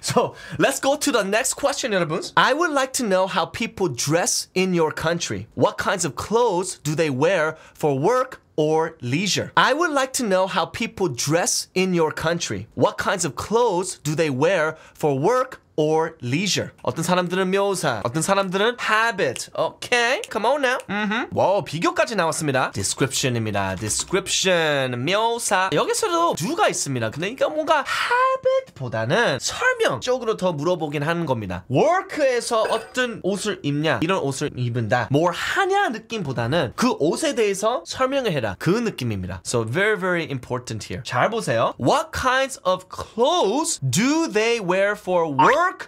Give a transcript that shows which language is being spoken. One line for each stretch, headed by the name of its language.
English: So, let's go to the next question, 여러분. I would like to know how people dress in your country. What kinds of clothes do they wear for work or leisure. I would like to know how people dress in your country. What kinds of clothes do they wear for work or leisure?
Korean: 어떤 사람들은 묘사, 어떤 사람들은 habit.
English: Okay, come on now.
Korean: Mm-hmm. 와, 비교까지 나왔습니다. Description입니다. Description, 묘사. 여기서도 do가 있습니다. 근데 이게 뭔가 habit보다는 설명 쪽으로 더 물어보긴 하는 겁니다. Work에서 어떤 옷을 입냐, 이런 옷을 입는다. 뭘 하냐 느낌보다는 그 옷에 대해서 설명을 해라. 그 느낌입니다.
English: So very, very important here.
Korean: 잘 보세요.
English: What kinds of clothes do they wear for work?